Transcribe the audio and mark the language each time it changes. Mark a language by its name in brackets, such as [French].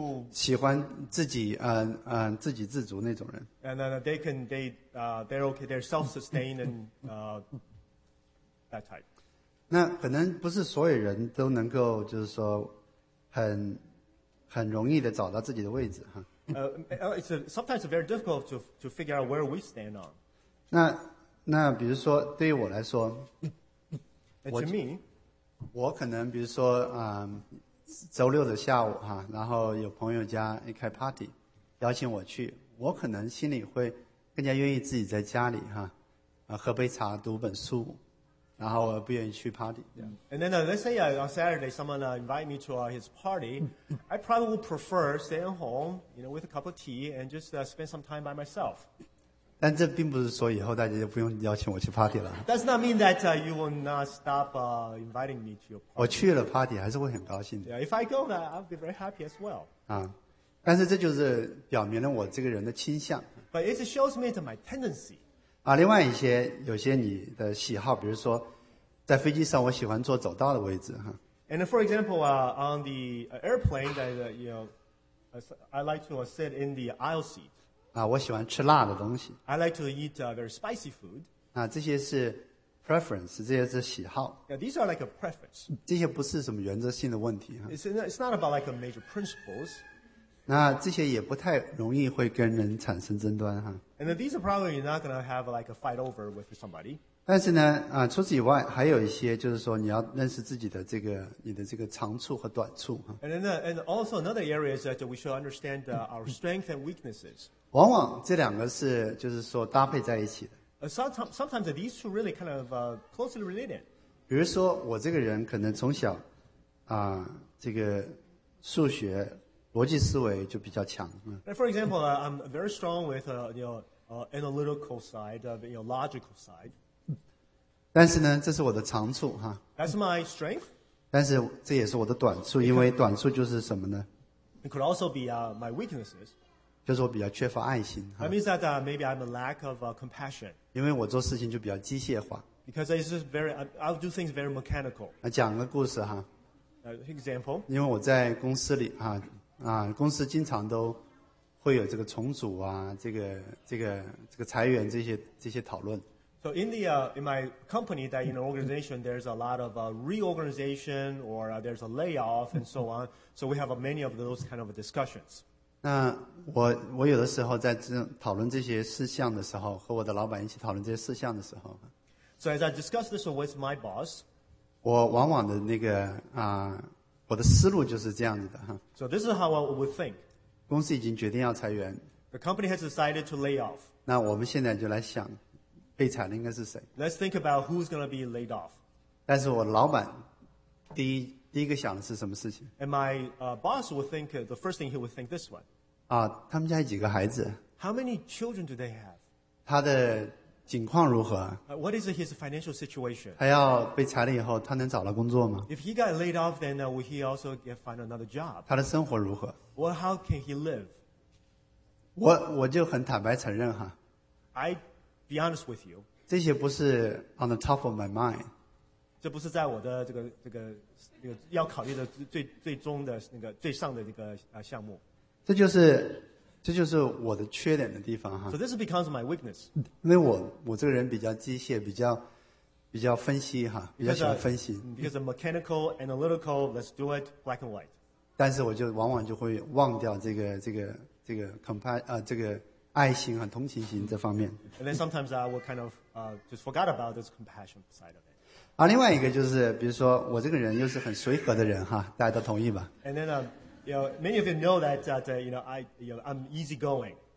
[Chinese] 喜欢自己自给自足那种人。 [English] And then they're okay, they're self-sustained and that type. [Chinese] 那可能不是所有人都能够就是说很容易的找到自己的位置哈。 [English] Sometimes very difficult to figure out where we stand on. [Chinese] 那比如说对于我来说 [English] And to me, [Chinese] 我可能比如说周六的下午哈，然后有朋友家一开 party， 邀请我去，我可能心里会更加愿意自己在家里哈，喝杯茶，读本书，然后我不愿意去 party。 [English] And then let's say on Saturday someone invite me to his party, I probably would prefer staying home, you know, with a cup of tea and just spend some time by myself. [Chinese] 但这并不是说以后大家就不用邀请我去 party 了。 [English] Does not mean that you will not stop inviting me to your party. [Chinese] 我去了 party 还是会很高兴的。 [English] Yeah, if I go, I'll be very happy as well. [Chinese] 但是这就是表明了我这个人的倾向。 [English] But it shows me my tendency. [Chinese] 另外有些你的喜好，比如说在飞机上，我喜欢坐走道的位置哈。 [English] And for example, on the airplane, that I like to sit in the aisle seat. [Chinese] 我喜欢吃辣的东西。 [English] I like to eat very spicy food. [Chinese] 这些是 preference, 这些是喜好。 [English] Yeah, these are like a preference. [Chinese] 这些不是什么原则性的问题。 [English] It's not about like a major principles. [Chinese] 那这些也不太容易会跟人产生争端。 [English] And these are probably not going to have like a fight over with somebody. [Chinese] 但是呢，除此以外，还有一些就是说，你要认识自己的这个你的这个长处和短处。 [English] And also another area is that we should understand our strength and weaknesses. [Chinese] 往往这两个是就是说搭配在一起的。 [English] Sometimes these two really kind of closely related. [Chinese] 比如说我这个人可能从小这个数学逻辑思维就比较强。 [English] For example, I'm very strong with analytical side of logical side. [Chinese] 但是呢，这是我的长处哈。 [English] That's my strength. [Chinese] 但是这也是我的短处，因为短处就是什么呢 [English] ？It could also be my weaknesses. [Chinese] 就是我比较缺乏爱心。 [English] That means that maybe I'm a lack of compassion. [Chinese] 因为我做事情就比较机械化。 [English] Because it's just very, I'll do things very mechanical. [Chinese] 讲个故事哈。 [English] Example. [Chinese] 因为我在公司里公司经常都会有这个重组啊，这个裁员这些讨论。 [English] So in my company, that in an organization, there's a lot of reorganization or there's a layoff and so on. So we have many of those kind of discussions. [Chinese] 那我有的时候在讨论这些事项的时候，和我的老板一起讨论这些事项的时候。 [English] So as I discuss this with my boss, [Chinese] 我往往的那个我的思路就是这样子的哈。 [English] So this is how I would think. [Chinese] 公司已经决定要裁员。 [English] The company has decided to lay off. [Chinese] 那我们现在就来想。被裁的应该是谁 [English] ？Let's think about who's going to be laid off. [Chinese] 但是我老板第一个想的是什么事情 [English] ？And my boss would think the first thing he would think this one. [Chinese] 他们家有几个孩子 [English] ？How many children do they have? [Chinese] 他的境况如何 [English] ？What is his financial situation? [Chinese] 他要被裁了以后，他能找到工作吗 [English] ？If he got laid off, then will he also find another job? [Chinese] 他的生活如何 [English] ？Well, how can he live? [Chinese] 我就很坦白承认哈 [English] Be honest with you. [Chinese] 这些不是 [English] on the top of my mind. [Chinese] 这不是在我的这个要考虑的最终的那个最上的那个项目。这就是我的缺点的地方哈。 [English] So this becomes my weakness. [Chinese] 因为我这个人比较机械，比较分析哈，比较喜欢分析。 [English] Because of mechanical, analytical, let's do it black and white. [Chinese] 但是我就往往就会忘掉这个 这个。爱心和同情心这方面。 [English] And then sometimes I will kind of just forgot about this compassion side of it. [Chinese] 另外一个就是，比如说我这个人又是很随和的人哈，大家都同意吧 [English] ？And then many of you know that I'm easygoing.